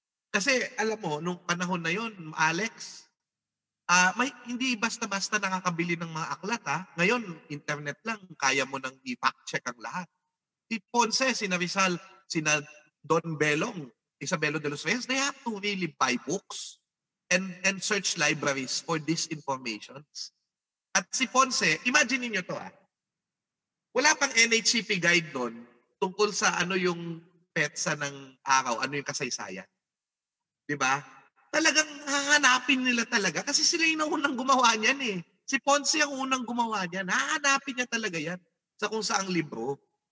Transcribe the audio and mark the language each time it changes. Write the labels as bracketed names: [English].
[Filipino] Kasi alam mo, nung panahon na yon, Alex, hindi basta-basta nakakabili ng mga aklat, ha? Ngayon, internet lang, kaya mo nang i-fact-check ang lahat. [English] Si Ponce, sina Rizal, sina Don Belong, Isabelo de los Reyes, they have to really buy books and search libraries for these informations. [Filipino] At si Ponce, imagine niyo to, ha? Wala pang NHCP guide doon tungkol sa ano yung petsa ng araw, ano yung kasaysayan. Diba? Talagang hahanapin nila talaga kasi sila yung unang gumawa niyan eh. Si Ponce ang unang gumawa niyan. Hahanapin niya talaga yan sa kung saan ang libro.